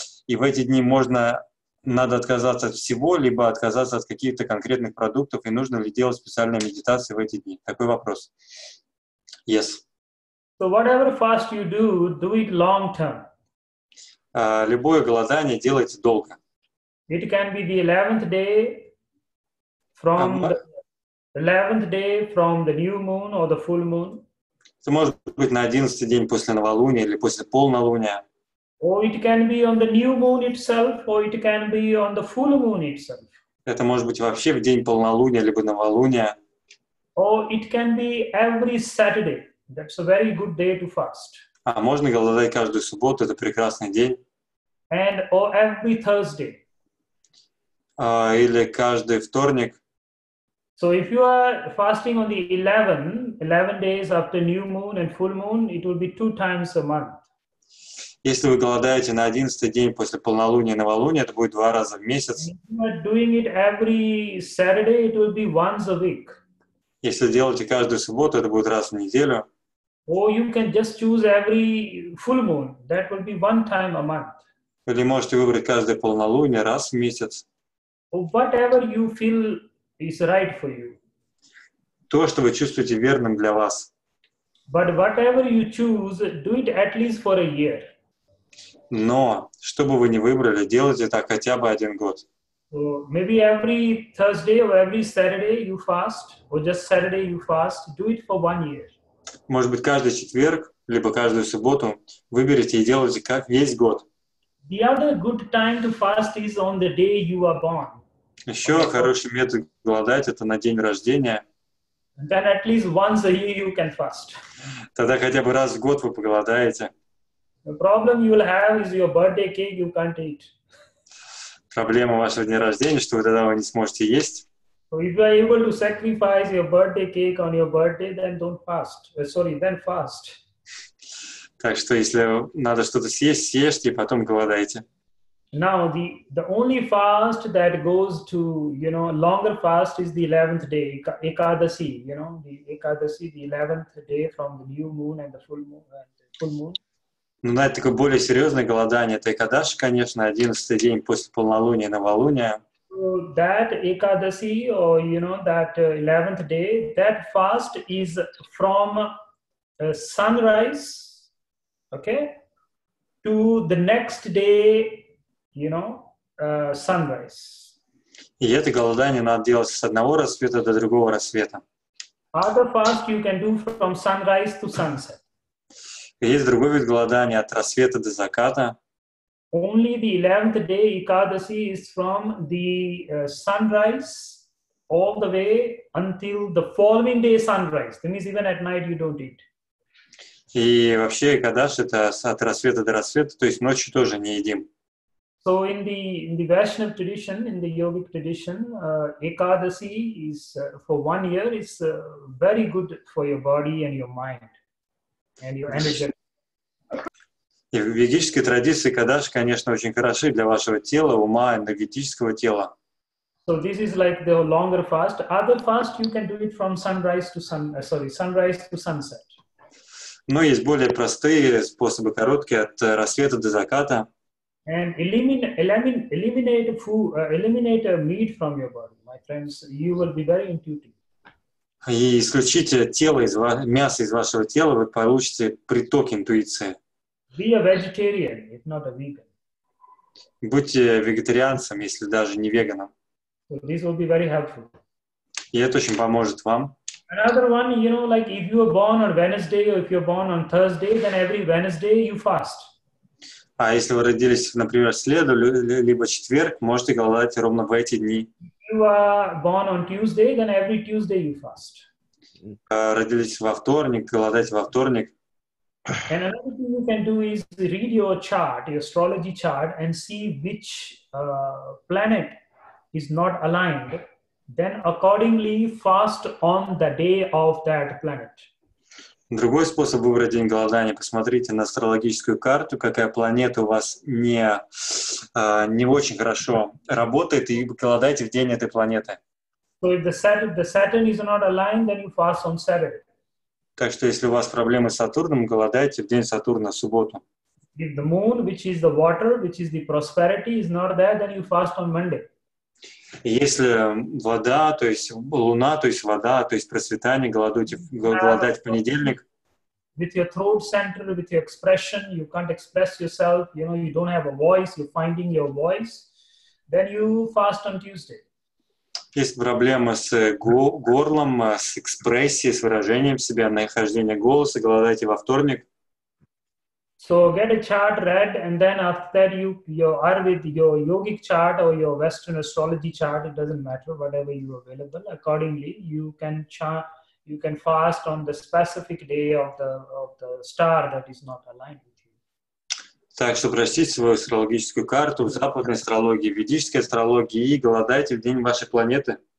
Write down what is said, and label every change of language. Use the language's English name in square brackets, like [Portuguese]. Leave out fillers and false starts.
[Russian] И в эти дни надо отказаться от всего, либо отказаться от каких-то конкретных продуктов, и нужно ли делать специальные медитации в эти дни? Такой вопрос. [English] Yes. So whatever fast you do, do it long term. [Russian] Любое голодание делайте долго. [English] It can be the 11th day from the new moon or the full moon. [Russian] Это может быть на 11-й день после новолуния или после полнолуния. [English] Or it can be on the new moon itself, or it can be on the full moon itself. [Russian] Это может быть вообще в день полнолуния либо новолуния. [English] Or it can be every Saturday. That's a very good day to fast. [Russian] А можно голодать каждую субботу, это прекрасный день. [English] And or every Thursday. [Russian] Или каждый вторник. [English] So if you are fasting on the 11 days after new moon and full moon, it will be two times a month. [Russian] Если вы голодаете на 11 день после полнолуния и новолуния, это будет два раза в месяц. [English] Doing it every Saturday, it will be once a week. [Russian] Если делаете каждую субботу, это будет раз в неделю. [English] Or you can just choose every full moon. That will be one time a month. [Russian] Или можете выбрать каждое полнолуние раз в месяц. [English] Whatever you feel is right for you. [Russian] То, что вы чувствуете верным для вас. [English] But whatever you choose, do it at least for a year. [Russian] Но, что бы вы ни выбрали, делайте так хотя бы один год. [English] Maybe every Thursday or every Saturday you fast, or just Saturday you fast, do it for one year. [Russian] Может быть, каждый четверг, либо каждую субботу выберите и делайте как весь год. [English] The other good time to fast is on the day you are born. [Russian] Еще хороший метод голодать — это на день рождения. [English] Then at least once a year you can fast. [Russian] Тогда хотя бы раз в год вы поголодаете. [English] The problem you will have is your birthday cake you can't eat. [Russian] Проблема вашего дня рождения, что вы тогда вы не сможете есть. [English] So if you are able to sacrifice your birthday cake on your birthday, then don't fast. Then fast. [Russian] Так что если надо что-то съесть, съешьте, и потом голодайте. [English] Now the only fast that goes to, you know, longer fast is the 11th day, Ekadasi, you know, the Ekadasi, the 11th day from the new moon and the full moon. [Russian] Ну, да, это такое более серьезное голодание. Это Экадаши, конечно, 11-й день после полнолуния и новолуния. [English] That Ekadasi, or you know, that 11th day, that fast is from sunrise, okay, to the next day, you know, sunrise. [Russian] И это голодание надо делать с одного рассвета до другого рассвета. [English] Other fast you can do from sunrise to sunset. [Russian] Есть другой вид голодания от рассвета до заката. [English] Only the 11th day Ekadasi is from the sunrise all the way until the following day sunrise. That means even at night you don't eat. [Russian] И вообще Экадаши это от рассвета до рассвета, то есть ночью тоже не едим. [English] So in the Vaishnava tradition, in the yogic tradition, Ekadasi is for one year is very good for your body and your mind and your energy. [Russian] И в ведической традиции Экадаши, конечно, очень хороши для вашего тела, ума, энергетического тела. [English] So this is like the longer fast. Other fast you can do it from sunrise to sunset. [Russian] Но есть более простые способы, короткие, от рассвета до заката. [English] And eliminate meat from your body, my friends. You will be very intuitive. [Russian] И исключите тело из мяса из вашего тела, вы получите приток интуиции. [English] Be a vegetarian, if not a vegan. [Russian] Будьте вегетарианцем, если даже не веганом. [English] So this will be very helpful. [Russian] И это очень поможет вам. [English] Another one, you know, like if you are born on Wednesday or if you are born on Thursday, then every Wednesday you fast. [Russian] А если вы родились, например, в среду, либо четверг, можете голодать ровно в эти дни. [English] If you are born on Tuesday, then every Tuesday you fast. [Russian] Родились во вторник, голодать во вторник. [English] And another thing you can do is read your chart, your astrology chart, and see which planet is not aligned. Then accordingly fast on the day of that planet. [Russian] Другой способ выбрать день голодания. Посмотрите на астрологическую карту, какая планета у вас не очень хорошо работает, и голодайте в день этой планеты. [English] So if the Saturn is not aligned, then you fast on Saturday. [Russian] Так что, если у вас проблемы с Сатурном, голодайте в день Сатурна, в субботу. [English] If the moon, which is the water, which is the prosperity, is not there, then you fast on Monday. [Russian] Если вода, то есть луна, то есть вода, то есть процветание, голодайте в понедельник. [English] With your throat center, with your expression, you can't express yourself, you know, you don't have a voice, you're finding your voice, then you fast on Tuesday. [Russian] Есть проблемы с горлом, с экспрессией, с выражением себя, нахождение голоса, голодайте во вторник. [English] So get a chart read, and then after that you are with your yogic chart or your Western astrology chart, it doesn't matter, whatever you available, accordingly, you can fast on the specific day of the star that is not aligned. [Russian] Так что прочтите свою астрологическую карту в западной астрологии, в ведической астрологии и голодайте в день вашей планеты.